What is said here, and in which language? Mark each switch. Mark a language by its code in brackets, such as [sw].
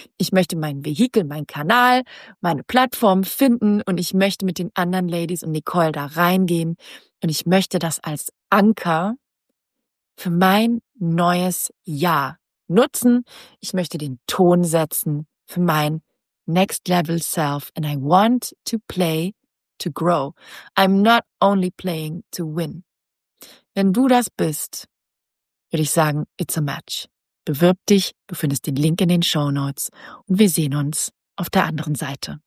[de] Ich möchte mein Vehikel, meinen Kanal, meine Plattform finden und ich möchte mit den anderen Ladies und Nicole da reingehen und ich möchte das als Anker für mein neues Jahr nutzen. Ich möchte den Ton setzen für mein [en] next level self. And I want to play to grow. I'm not only playing to win. [de] Wenn du das bist, würde ich sagen, [en] it's a match. [de] Bewirb dich, du findest den Link in den Shownotes und wir sehen uns auf der anderen Seite.